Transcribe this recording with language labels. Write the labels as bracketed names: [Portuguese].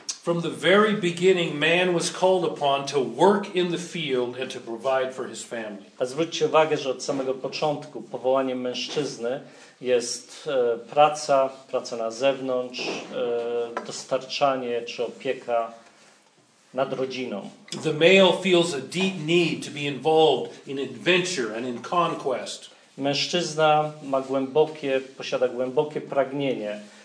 [English] From the very beginning, man was called upon to work in the field and to provide for his family. [Polish] A zwróćcie uwagę, że od samego początku powołaniem mężczyzny jest praca na zewnątrz, dostarczanie czy opieka nad rodziną. [English] The male feels a deep need to be involved in adventure and in conquest. [Polish] Mężczyzna posiada głębokie pragnienie